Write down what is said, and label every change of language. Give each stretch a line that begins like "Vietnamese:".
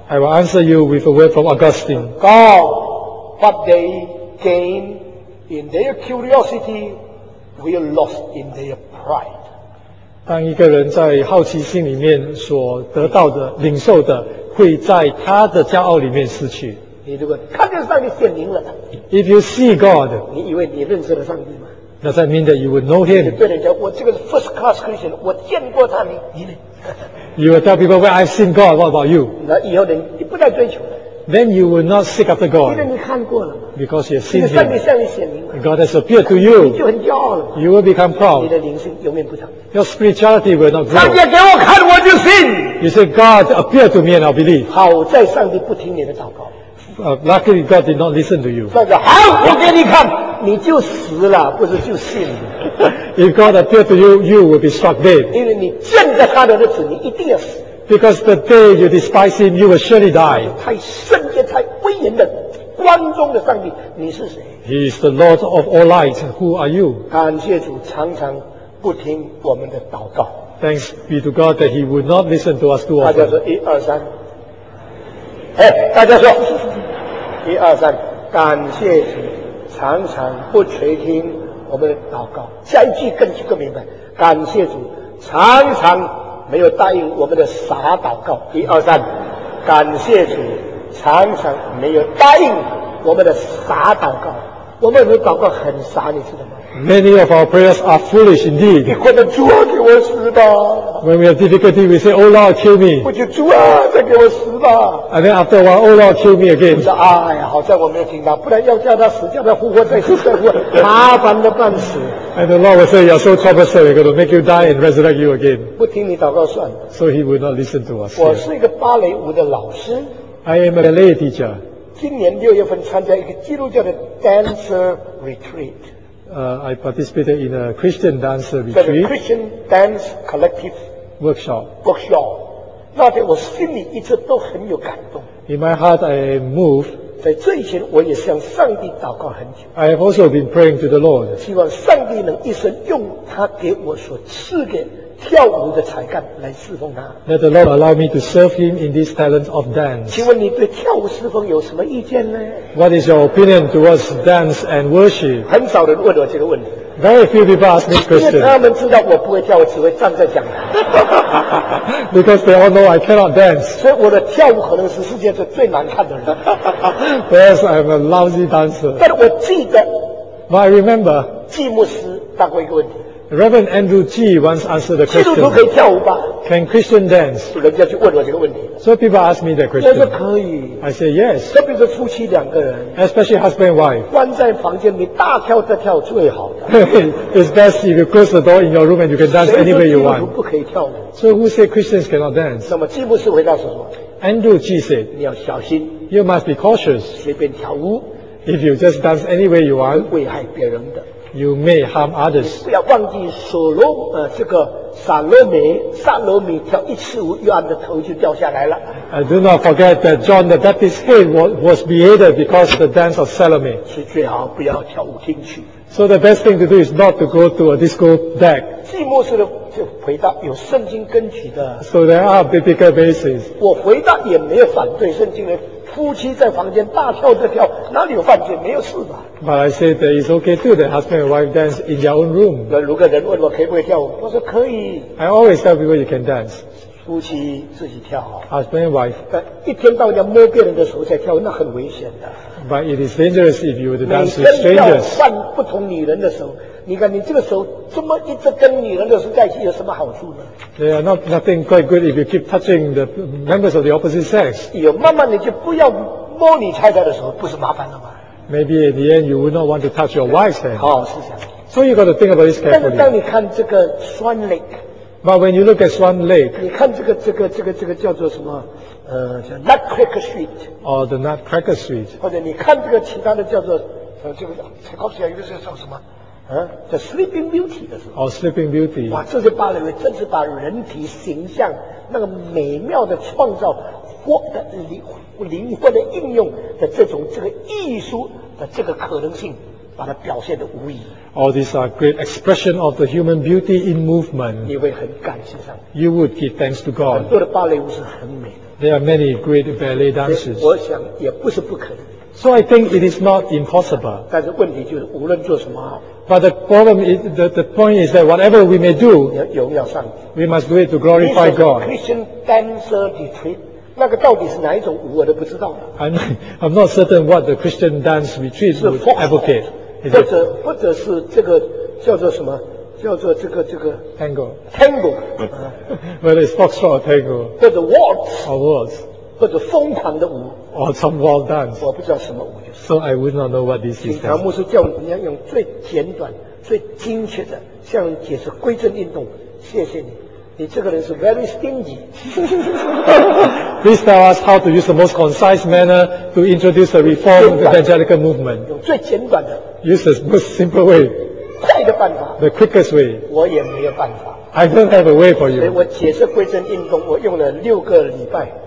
English: I will answer you with a word from Augustine. God, what they gain in their curiosity, will lose in their pride.
Chinese: 当一个人在好奇心里面所得到的、领受的，会在他的骄傲里面失去。你如果看见上帝显灵了，
English: If you see God,
Chinese: 你以为你认识了上帝吗？
English: Does that mean that you would know him?
Chinese: 对人家，我这个是
English: first class Christian，
Chinese: 我见过他，你呢？
English: You will tell people, well, I've seen God. What about you?
Chinese: 那以后你不再追求了。
English: Then you will not seek after God.
Chinese: 因为你看过了。
English: Because you've seen him.
Chinese: 上帝向你显明了。
English: God has appeared to you.
Chinese: 你就很骄傲了。
English: You will become proud.
Chinese: 你的灵性永远不长。
English: Your spirituality will not grow.
Chinese: 上帝给我看，我就信。
English: You say God appeared to me and I believe.
Chinese: 好在上帝不听你的祷告。
English: Luckily, God did not listen to you.
Chinese: 上帝好，我给你看。你就死了，不是就信了。
English: If God appeared to you, you will be struck dead.
Chinese: 因为你见着他的日子，你一定要死。
English: Because the day you despise him, you will surely die.
Chinese: 太圣洁、太威严的光中的上帝，你是谁？
English: He is the Lord of all light. Who are you?
Chinese: 感谢主，常常不听我们的祷告。
English: Thanks be to God that He would not listen to us too often.
Chinese: 大家说一二三。大家说一二三，感谢主。常常不垂听我们的祷告，下一句更明白。感谢主，常常没有答应我们的傻祷告。一二三，感谢主，常常没有答应我们的傻祷告。我们的祷告很傻，你知道吗？
English: Many of our prayers are foolish indeed.
Chinese: 或者主啊，给我死吧。
English: When we have difficulty, we say, "Oh Lord, kill me."
Chinese: 或者主啊，再给我死吧。
English: And then after a while, "Oh Lord, kill me again."
Chinese: 说啊，哎呀，好在我没有听到，不然要叫他死，叫他复活再死再复活，麻烦的半死。
English: And the Lord will say, "You are so troublesome, we're going to make you die and resurrect you again."
Chinese: 不听你祷告算了。
English: So He will not listen to us.
Chinese: 我是一个芭蕾舞的老师。
English: I am a ballet teacher.
Chinese: 今年六月份参加一个基督教的
English: dancer retreat。 I participated in a Christian dance retreat. The Christian dance collective workshop. Workshop.
Chinese: 那天我心里一直都很有感动。
English: In my heart, I am moved.
Chinese: 在这以前，我也向上帝祷告很久。
English: I have also been praying to the Lord.
Chinese: 希望上帝能一生用他给我所赐给跳舞的才干来侍奉他。
English: Let the Lord allow me to serve Him in this talent of dance.
Chinese: 请问你对跳舞侍奉有什么意见呢
English: ？What is your opinion towards dance and worship?
Chinese: 很少人问我这个问题。
English: Very few people ask this question.
Chinese: 因为他们知道我不会跳，我只会站在讲台。
English: Because they all know I cannot dance.
Chinese: 所以我的跳舞可能是世界上最难看的人。
English: Yes, I'm a lousy dancer.
Chinese: 但我记得。
English: But I remember.
Chinese: 季牧师问过一个问题。
English: Reverend Andrew G once answered the question.
Chinese: 基督徒可以跳舞吧
English: ？Can Christian dance?
Chinese: 人家去问我这个问题。
English: So people ask me that question.
Chinese: 我说可以。
English: I say yes.
Chinese: 特别是夫妻两个人。
English: Especially husband and wife.
Chinese: 关在房间里大跳特跳最好的。
English: It's best if you close the door in your room and you can dance any way you want.
Chinese: 基督徒不可以跳舞。
English: So who say Christians cannot dance?
Chinese: 那么基牧师回答是什么
English: ？Andrew G said.
Chinese: 你要小心。
English: You must be cautious.
Chinese: 随便跳舞。
English: If you just dance any way you want.
Chinese: 危害别人的。
English: You may harm others.
Chinese: 不要忘记所罗这个萨罗米，萨罗米跳一次舞，约翰的头就掉下来了。
English: Do not forget that John the Baptist's head was beheaded because of the dance of Salome.
Chinese: 是最好不要跳舞厅去。
English: So the best thing to do is not to go to a disco deck.
Chinese: 寂寞式的就回答有圣经根据的。
English: So there are biblical bases.
Chinese: 我回答也没有反对圣经的。夫妻在房间大跳特跳，哪里有犯罪？没有事吧
English: ？But I said that it's okay too. The husband and wife dance in their own room.
Chinese: 如果人问我可不可以跳舞，我说可以。
English: I always tell people you can dance.
Chinese: 夫妻自己跳
English: Husband and wife.
Chinese: 一天到晚摸别人的手才跳，那很危险的。
English: But it is dangerous if you were to dance with strangers.
Chinese: 每天跳换不同女人的手，你看你这个手这么一直跟女人的手在一起，有什么好处呢？
English: They are not nothing quite good if you keep touching the members of the opposite sex.
Chinese: 有慢慢的就不要摸你太太的时候，不是麻烦了吗
English: ？Maybe in the end you would not want to touch your wife's hand.
Chinese: 好好思想。
English: So you got to think about this carefully.
Chinese: 但是当你看这个 Swan Lake,
English: but when you look at Swan Lake,
Chinese: 你看这个叫做什么？叫 Nutcracker Street.
English: Or the Nutcracker Street.
Chinese: 或者你看这个其他的叫做这个才告诉你一个是叫什么？叫 Sleeping Beauty 的是吧？哦 ，Sleeping Beauty。哇，这些芭蕾舞真是把人体形象那个美妙的创造或的灵活的应用的这个艺术的这个可能性，把它表现得无疑。
English: All these are great expression of the human beauty in movement。
Chinese: 你会很感谢上帝。
English: You would give thanks to God。
Chinese: 很多的芭蕾舞是很美的。
English: There are many great ballet dancers。
Chinese: 我想也不是不可能。
English: So I think it is not impossible.
Chinese: 但是问题就是无论做什么。
English: But the problem is, the point is that whatever we may do,
Chinese: 荣耀上帝。
English: We must do it to glorify God. Christian dancer retreat,
Chinese: 那个到底是哪一种舞我都不知道。
English: I'm not certain what the Christian dance retreat would advocate.
Chinese: 或者是这个叫做什么叫做这个
English: Tango. Tango. Whether it's foxtrot or tango.
Chinese: 或者 waltz.
English: Or waltz.
Chinese: 或者疯狂的舞
English: ，or some wild dance，
Chinese: 我不知道什么舞、就是。
English: So I would not know what this is.
Chinese: 请乔牧师叫我们用最简短、最精确的向人解释归正运动。谢谢你，你这个人是
English: very stingy。 Please tell us how to use the most concise manner to introduce the reformed evangelical movement.
Chinese: 用最简短的。
English: Use the most simple way.
Chinese: 快的办法。
English: The quickest way.
Chinese: 我也没有办法。
English: I don't have a way for you.
Chinese: 所以我解释归正运动，我用了六个礼拜。